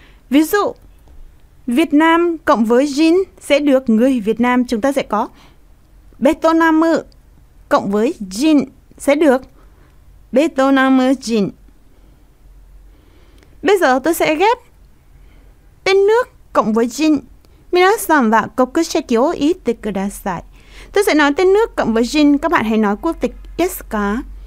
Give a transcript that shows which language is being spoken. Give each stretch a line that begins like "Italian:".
Vietnamese: Ví dụ, Việt Nam cộng với jin sẽ được người Việt Nam. Chúng ta sẽ có Vietnam cộng với jin sẽ được Vietnam jin. Bây giờ tôi sẽ ghép tên nước cộng với jin.
Japanese: 皆さんは国籍を言ってください.
Vietnamese: Tôi sẽ nói tên nước cộng với jin, các bạn hãy nói quốc tịch
Japanese: ですか?